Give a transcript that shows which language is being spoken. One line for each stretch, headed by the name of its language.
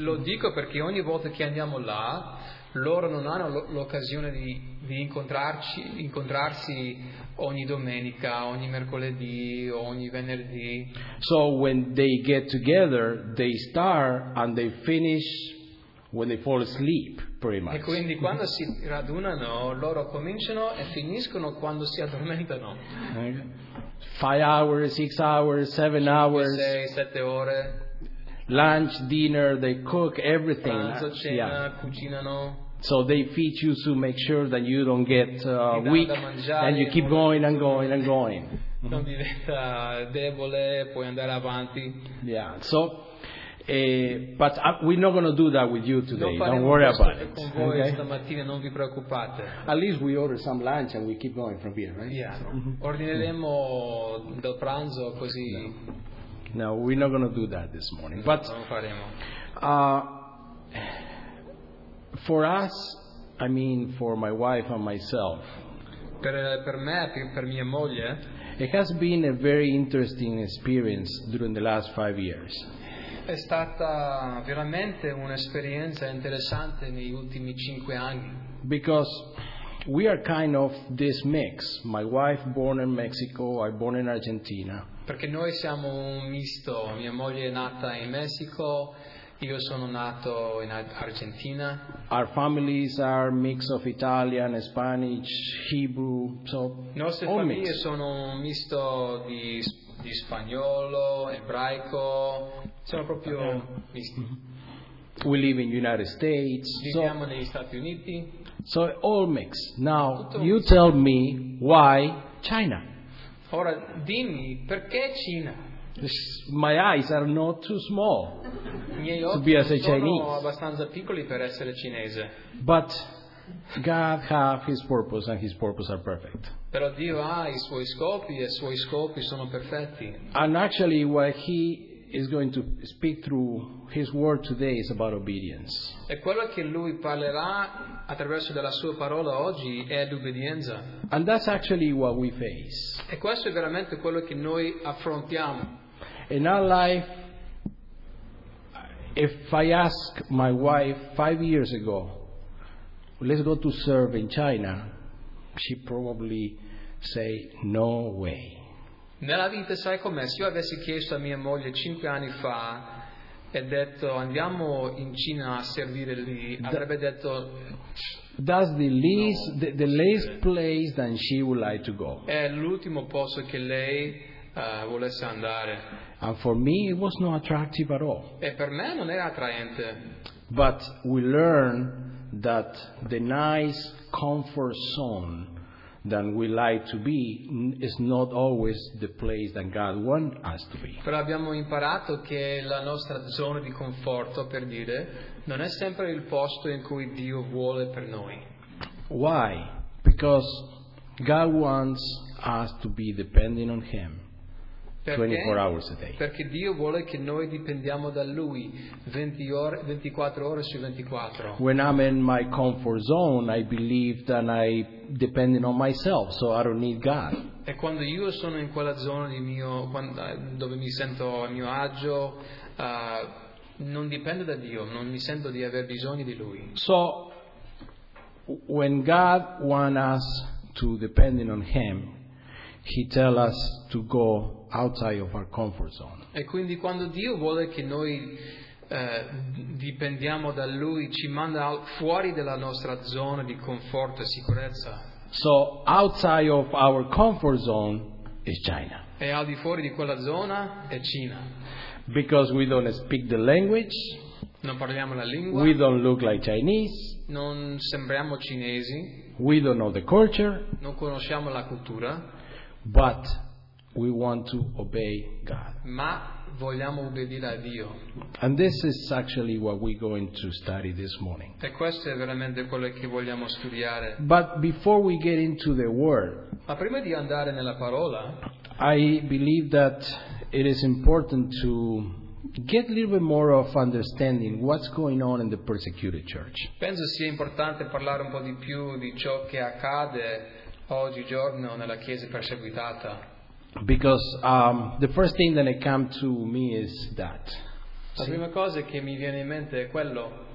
Italian: Lo dico perché ogni volta che andiamo là, loro non hanno l'occasione di incontrarsi ogni domenica, ogni mercoledì o ogni venerdì.
English: So when they get together, they start and they finish when they fall asleep, pretty much.
Italian: E quindi quando si radunano, loro cominciano e finiscono quando si addormentano.
English: Five hours, 6 hours, 7 hours.
Italian: 6, 7 ore.
English: Lunch, dinner, they cook everything.
Italian: Pranzo, cena,
English: yeah.
Italian: Cucinano.
English: So they feed you to make sure that you don't get weak, and you keep going and going and going.
Italian: Non diventa debole, puoi andare avanti.
English: Yeah. So, but we're not going to do that with you today. Don't worry about it.
Italian: Con voi stamattina, non vi preoccupate.
English: At least we order some lunch and we keep going from here, right? Yeah. So.
Italian: Ordineremo del pranzo così.
English: No, we're not going to do that this morning. No, but
Italian: non faremo.
English: For us, I mean, for my wife and myself,
Italian: per me, per mia moglie,
English: it has been a very interesting experience during the last 5 years.
Italian: È stata veramente un'esperienza interessante negli ultimi 5 anni.
English: Because we are kind of this mix. My wife born in Mexico, I born in Argentina.
Italian: Perché noi siamo un misto. Mia moglie è nata in Messico. Io sono nato in Argentina.
English: Our families are mix of Italian, Spanish, Hebrew, so
Italian: nostre
English: all
Italian: famiglie
English: mix.
Italian: Sono un misto di spagnolo, ebraico, sono proprio misti.
English: We live in United States.
Italian: Viviamo
English: so,
Italian: negli Stati Uniti.
English: So all mix. Now you tell me why China.
Italian: Ora dimmi perché Cina.
English: My eyes are not too small.
Italian: Miei occhi sono abbastanza piccoli per essere cinese.
English: But God has His purpose, and His purpose are perfect.
Italian: Però Dio ha i suoi scopi e i suoi scopi sono perfetti.
English: And actually, what He is going to speak through His word today is about obedience.
Italian: E quello che Lui parlerà attraverso della sua parola oggi è l'obbedienza.
English: And that's actually what we face.
Italian: E questo è veramente quello che noi affrontiamo.
English: In our life, if I ask my wife 5 years ago, let's go to serve in China, she probably say, no way.
Italian: Nella vita, sai com'è? Se io avessi chiesto a mia moglie 5 anni fa e detto andiamo in Cina a servire lì, avrebbe detto
English: that's the least, no, the least place that she would like to go.
Italian: È l'ultimo posto che lei volesse andare.
English: And for me it was not attractive at all.
Italian: E per me non era attraente.
English: But we learn that the nice comfort zone than we like to be is not always the place that God wants us to be.
Italian: Però abbiamo imparato che la nostra zona di conforto, per dire, non è sempre il posto in cui Dio vuole per noi.
English: Why? Because God wants us to be depending on Him.
Italian: Perché?
English: 24 hours a day.
Italian: Perché Dio vuole che noi dipendiamo da Lui 24 ore su 24.
English: When I'm in my comfort zone, I believe that I depend on myself, so I don't need God.
Italian: E quando io sono in quella zona di mio, dove mi sento a mio agio, non dipendo da Dio, non mi sento di aver bisogno di Lui.
English: So when God wants us to depend on Him, He tells us to go outside of our comfort zone.
Italian: E quindi quando Dio vuole che noi dipendiamo da Lui, ci manda fuori della nostra zona di conforto e sicurezza.
English: So outside of our comfort zone is China.
Italian: E al di fuori di quella zona è Cina.
English: Because we don't speak the language.
Italian: Non parliamo la lingua.
English: We don't look like Chinese.
Italian: Non sembriamo cinesi.
English: We don't know the culture.
Italian: Non conosciamo la cultura.
English: But we want to obey God.
Italian: Ma vogliamo obbedire a Dio.
English: And this is actually what we're going to study this morning.
Italian: E questo è veramente quello che vogliamo studiare.
English: But before we get into the word,
Italian: ma prima di andare nella parola,
English: I believe that it is important to get a little bit more of understanding what's going on in the persecuted church.
Italian: Penso sia importante parlare un po' di più di ciò che accade oggigiorno nella chiesa perseguitata.
English: Because the first thing that it comes to me is that.
Italian: La prima cosa che mi viene in mente è quello.